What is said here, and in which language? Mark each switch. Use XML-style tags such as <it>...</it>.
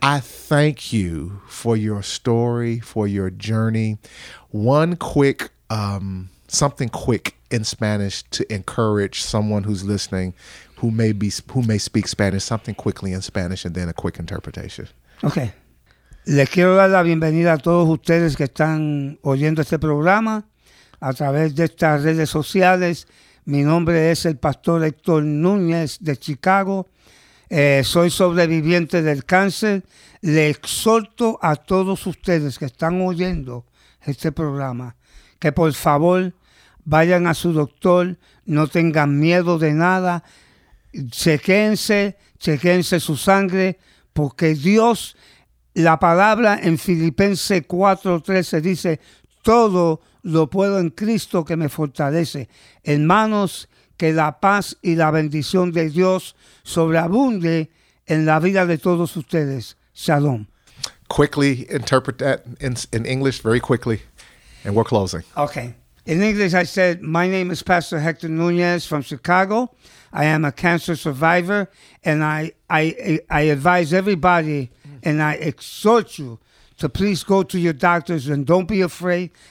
<en>I thank you for your story, for your journey. One quick, something quick in Spanish to encourage someone who's listening who may speak Spanish, something quickly in Spanish and then a quick interpretation. Okay.</en> <es>Les quiero dar la bienvenida a todos ustedes que están oyendo este programa a través de estas redes sociales. Mi nombre es el Pastor Héctor Núñez de Chicago. Soy sobreviviente del cáncer. Le exhorto a todos ustedes que están oyendo este programa que por favor vayan a su doctor, no tengan miedo de nada. Chequense su sangre, porque Dios, la palabra en Filipenses 4:13 dice, todo lo puedo en Cristo que me fortalece. Hermanos, que la paz y la bendición de Dios sobreabunde en la vida de todos ustedes.</es> <he>Shalom.</he> <en>Quickly interpret that in English, very quickly, and we're closing. Okay. In English, I said, my name is Pastor Hector Nunez from Chicago. I am a cancer survivor, and I advise everybody, and I exhort you to please go to your doctors and don't be afraid.</en>